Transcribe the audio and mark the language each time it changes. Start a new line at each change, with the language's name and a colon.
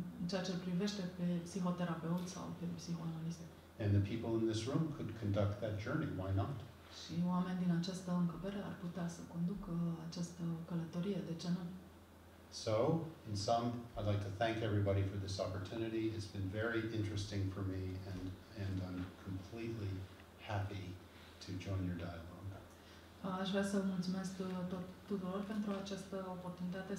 Romanian: Ceea ce privește pe psihoterapeut sau pe psihoanalist.
English: And the people in this room could conduct that journey, why not?
Romanian: Și oamenii din această încăpere ar putea să conducă această călătorie, de ce nu?
English: So, in sum, I'd like to thank everybody for this opportunity. It's been very interesting for me and I'm completely happy to join your dialogue.
Romanian: Aș vrea să mulțumesc tuturor pentru această oportunitate.